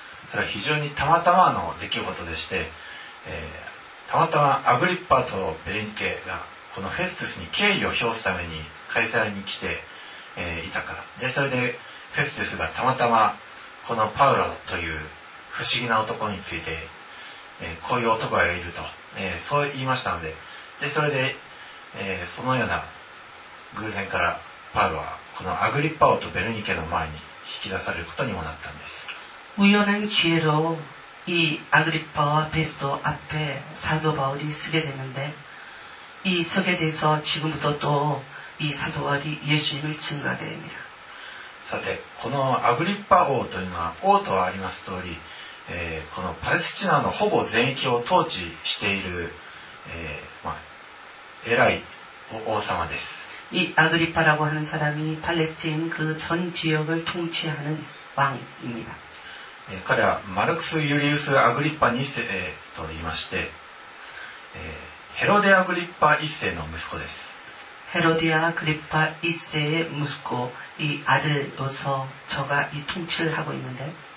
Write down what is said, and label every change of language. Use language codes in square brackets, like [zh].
[ko] 그러니까 [ja] 非常にたまたまの出来事でして、たまたまアグリッパとベルニケがこのフェストゥスに敬意を表すためにカエサルに来て、いたから、でそれでフェストゥスがたまたまこのパウロという不思議な男について、こういう男がいると、そう言いましたの でそれで、そのような偶然からパウロはこのアグリッパ王とベルニケの前に引き出されることにもなったんです。 [ko] 우연한기회로 이 아그리파와 페스토 앞에 사도 바울이 서게 되는데 이 서게 돼서 지금부터 또 이 사도 바울이 예수님을 증거하게 됩니다. [ja] さてこのアグリッパ王というのは王とあります通り、このパレスチナのほぼ全域を統治している、まあ、偉い王様です。 [ko] 이아그리파라고하는사람이팔레스틴그전지역을통치하는왕입니다 [ja] 彼はマルクス・ユリウス・アグリッパ2世と言いまして、ヘロデ・アグリッパ1世の息子です。 [ko] ヘロデ・アグリッパ1世의 [ja] 息子、 [ko] 이아들로서저가이통치를하고있는데、